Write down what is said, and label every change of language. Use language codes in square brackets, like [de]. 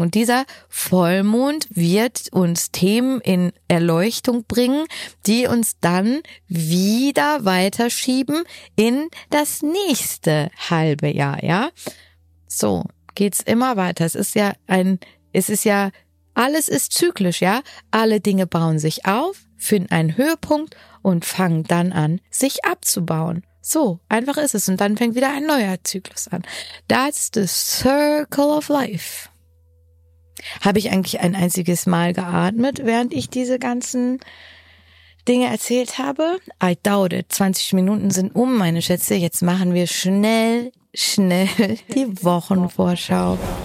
[de] Und dieser Vollmond wird uns Themen in Erleuchtung bringen, die uns dann wieder weiterschieben in das nächste halbe Jahr, ja? So geht's immer weiter. Es ist ja, alles ist zyklisch, ja? Alle Dinge bauen sich auf, finden einen Höhepunkt und fangen dann an, sich abzubauen. So, einfach ist es. Und dann fängt wieder ein neuer Zyklus an. [en] That's the circle of life. [de] Habe ich eigentlich ein einziges Mal geatmet, während ich diese ganzen Dinge erzählt habe? [en] I doubt it. [de] 20 Minuten sind um, meine Schätze. Jetzt machen wir schnell die Wochenvorschau.